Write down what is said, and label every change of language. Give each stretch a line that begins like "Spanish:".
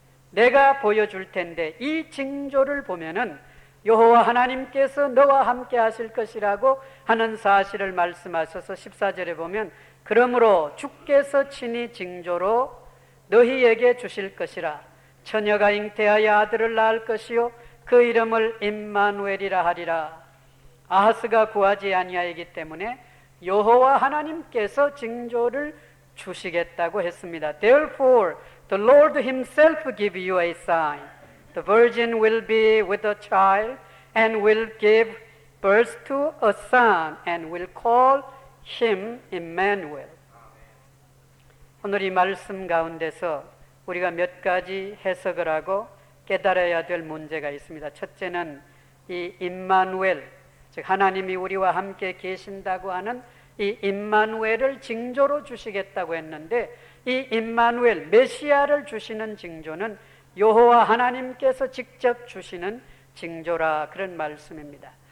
Korean: 내가 보여줄 텐데 이 징조를 보면은 여호와 하나님께서 너와 함께 하실 것이라고 하는 사실을 말씀하셔서 14절에 보면 그러므로 주께서 친히 징조로 너희에게 주실 것이라. 처녀가 잉태하여 아들을 낳을 것이요 그 이름을 임마누엘이라 하리라. 아하스가 구하지 아니하였기 때문에 여호와 하나님께서 징조를 주시겠다고 했습니다.
English: Therefore the Lord himself give you a sign. The virgin will be with a child and will give birth to a son and will call Him, Emmanuel.
Korean: 오늘 이 말씀 가운데서 우리가 몇 가지 해석을 하고 깨달아야 될 문제가 있습니다. 첫째는 이 임마누엘, 즉 하나님이 우리와 함께 계신다고 하는 이 임마누엘을 징조로 주시겠다고 했는데 이 임마누엘, 메시아를 주시는 징조는 여호와 하나님께서 직접 주시는 징조라 그런 말씀입니다.